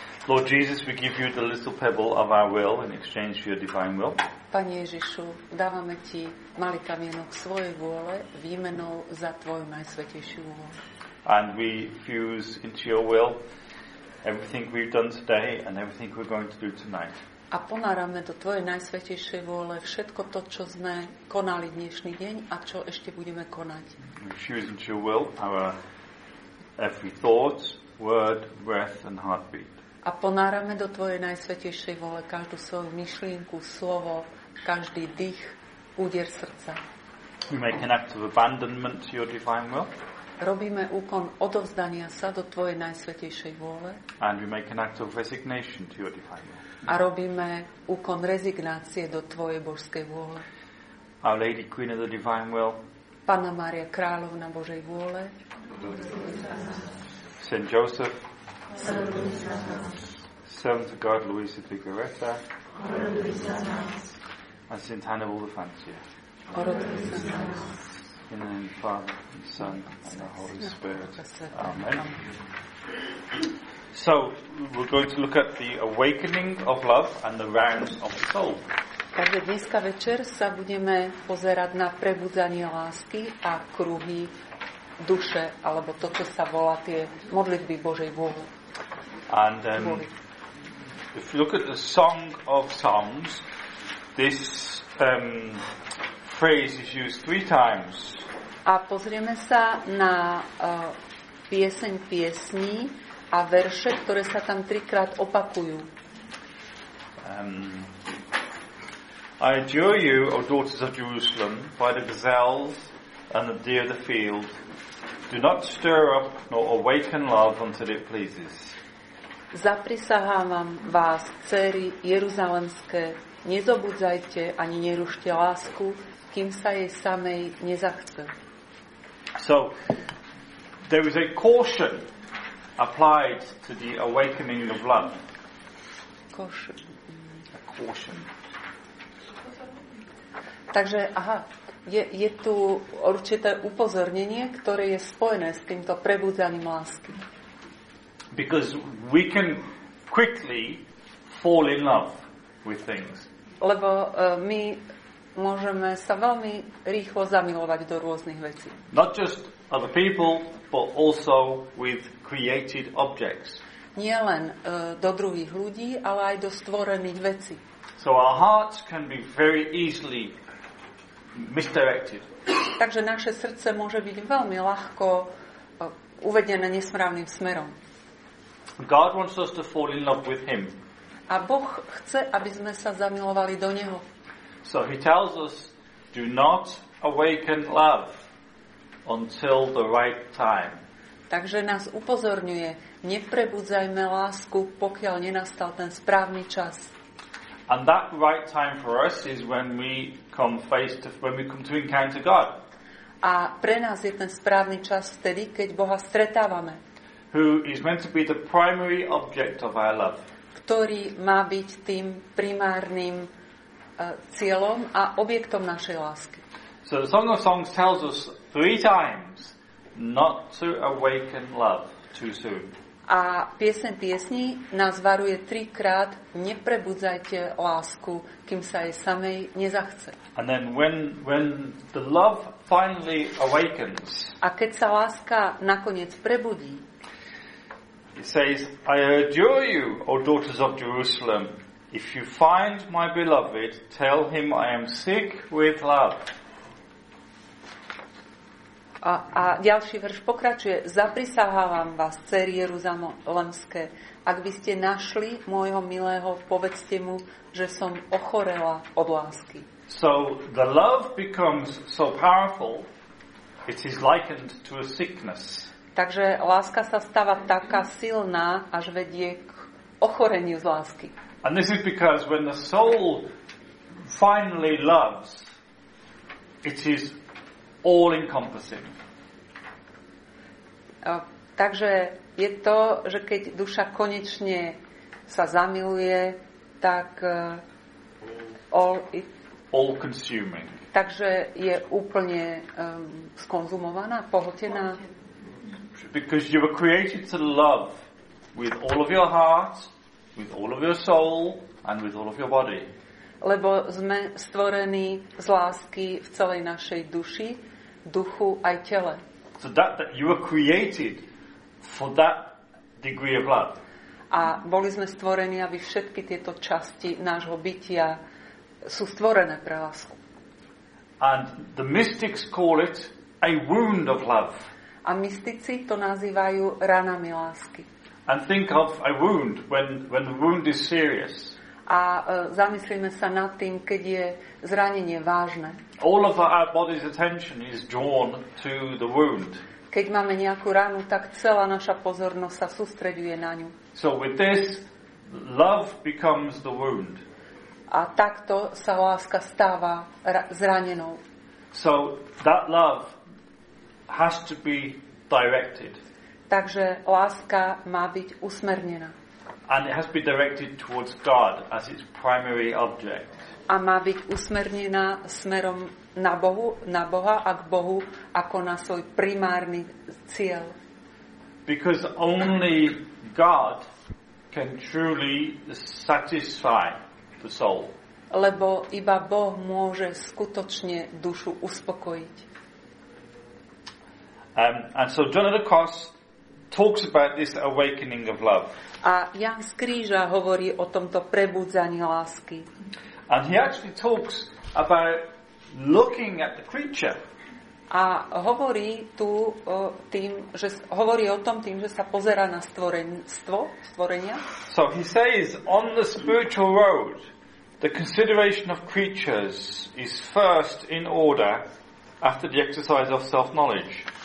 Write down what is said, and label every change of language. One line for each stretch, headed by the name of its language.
English: Lord Jesus, we give you the little pebble of our will in exchange for your divine will.
Slovak: Pane Ježišu, dávame ti malý kamienok svojej vôle výmenou za tvoju najsvätejšiu vôľu.
English: And we fuse into your will everything we've done today and everything we're going to do tonight.
Slovak: A ponárame do tvojej najsvätejšej vôle všetko to, čo sme konali dnešný deň a čo ešte budeme konať.
English: Fuse into your will our every thought, word, breath and heartbeat.
Slovak: A ponárame do tvojej najsvätejšej vôle každú svoju myšlienku, slovo, každý dých, úder srdca.
English: We make an act of abandonment to your divine will.
Slovak: Robíme úkon odovzdania sa do tvojej najsvätejšej vôle.
English: And we make an act of resignation to your divine will.
Slovak: A robíme úkon rezignácie do tvojej božskej vôle.
English: Our Lady Queen of the Divine Will.
Slovak: Panna Mária Kráľovna Božej vôle.
English: Saint Joseph. Servant of God, Luisa de Goretta. And St. Hannibal the Fancier. In the name of the Father, and the Son, and the Holy Spirit. Amen. So, we're going to look at the awakening of love and the realms of the soul.
Slovak: Takže dneska večer sa budeme pozerať na prebudzanie lásky a kruhy duše, alebo to, čo sa volá tie modlitby Božej vôle.
English: And if you look at the Song of Songs, this phrase is used 3 times.
Slovak: A pozrieme sa na pieseň piesní a verše, ktoré sa tam 3-krát opakujú.
English: I adjure you, O daughters of Jerusalem, by the gazelles and the deer of the field, do not stir up nor awaken love until it pleases.
Slovak: Zaprisahávam vás, dcery jeruzalemské, nezobudzajte ani nerušte lásku, kým sa jej samej nezachce.
English: So, there is a caution applied to the awakening of love. Caution. A caution.
Slovak: Takže, aha, je tu určité upozornenie, ktoré je spojené s týmto prebudzaním lásky.
English: Because we can quickly fall in love with things.
Slovak: Lebo my môžeme sa veľmi rýchlo zamilovať do rôznych vecí.
English: Not just other people, but also with created objects.
Slovak: Nie len do druhých ľudí, ale aj do stvorených vecí.
English: So our hearts can be very easily misdirected.
Slovak: Takže naše srdce môže byť veľmi ľahko uvedené nesprávnym smerom.
English: God wants us to fall in love with him.
Slovak: A Boh chce, aby sme sa zamilovali do neho.
English: So he tells us, do not awaken love until the right time.
Slovak: Takže nás upozorňuje, neprebudzajme lásku, pokiaľ nenastal ten správny čas.
English: And that right time for us is when we come face to when we come to encounter God.
Slovak: A pre nás je ten správny čas vtedy, keď Boha stretávame.
English: Who is meant to be the primary object of our love.
Slovak: Ktorý má byť tým primárnym cieľom a objektom našej lásky.
English: So the Song of Songs tells us 3 times not to awaken love too soon.
Slovak: A pieseň piesní nás varuje 3-krát neprebudzajte lásku, kým sa jej samej nezachce.
English: And then when the love finally awakens.
Slovak: A keď sa láska nakoniec prebudí.
English: It says, I adjure you, O daughters of Jerusalem, if you find my beloved, tell him I am sick with love.
Slovak: A ďalší verš pokračuje. Zaprisahávam vás, dcery jeruzalemské, ak by ste našli môjho milého, povedzte mu, že som ochorela od lásky.
English: So the love becomes so powerful, it is likened to a sickness.
Slovak: Takže láska sa stáva taká silná, až vedie k ochoreniu z lásky.
English: And this is because when the soul finally loves, it is all encompassing.
Slovak: Takže je to, že keď duša konečne sa zamiluje, tak
English: all consuming.
Slovak: Takže je úplně skonzumovaná, pohotěná.
English: Because you were created to love with all of your heart, with all of your soul and with all of your body.
Slovak: Lebo jsme stvoreni z lásky v celé naší duši, duchu a těle.
English: So that you were created for that degree of love.
Slovak: A boli sme stvorení, aby všetky tieto časti nášho bytia sú stvorené pre lásku.
English: And the mystics call it a wound of love.
Slovak: A mystici to nazývajú ranami lásky.
English: And think of a wound when the wound is serious.
Slovak: A zamyslíme sa nad tým, keď je zranenie vážne.
English: All of our body's attention is drawn to the wound.
Slovak: Keď máme nejakú ranu, tak celá naša pozornosť sa sústreďuje na ňu.
English: So with this, love becomes the wound.
Slovak: A takto sa láska stáva zranenou.
English: So that love has to be directed.
Slovak: Takže láska má byť usmernená.
English: And it has to be directed towards God as its primary object.
Slovak: A má byť usmernená smerom na Bohu, na Boha a k Bohu ako na svoj primárny cieľ.
English: Because only God can truly satisfy the soul.
Slovak: Lebo iba Boh môže skutočne dušu uspokojiť.
English: And so John of the Cross talks about this awakening of love.
Slovak: A Jan z Kríža hovorí o tomto prebudzaní lásky.
English: And he actually talks about looking at the creature.
Slovak: A hovorí tu tým, že hovorí o tom tým, že sa pozerá na stvorenia.
English: So he says, on the spiritual road, the consideration of creatures is first in order after the exercise of self-knowledge.